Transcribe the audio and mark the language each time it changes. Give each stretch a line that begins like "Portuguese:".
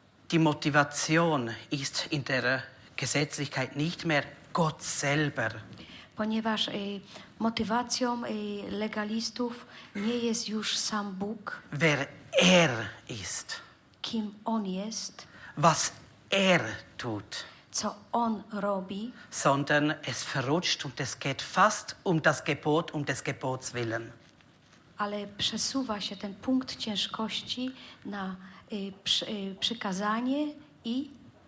German: Die Motivation ist in der Gesetzlichkeit nicht mehr Gott selber.
Polish: Ponieważ motywacją legalistów nie jest już sam Bóg.
German: Wer er ist.
Polish: Kim on jest.
German: Was er tut.
Polish: Co on robi.
German: Sondern es verrutscht und es geht fast das Gebot des Gebots willen.
Polish: Ale przesuwa się ten punkt ciężkości na przykazanie i...